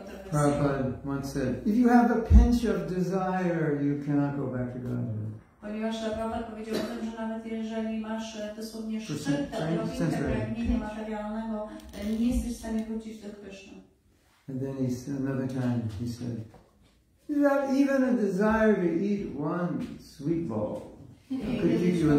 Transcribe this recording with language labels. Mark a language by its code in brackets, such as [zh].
[en] Prabhupada once said, if you have a pinch of desire, you cannot go back to Godhead. [pl] Ponieważ Prabhupada powiedział o tym, że nawet jeżeli masz dosłownie szczyte pragnienie materialnego, nie jesteś w stanie wrócić do Krishna. [en] And then he said, another time, he said, without even a desire to eat one sweet ball, could give you an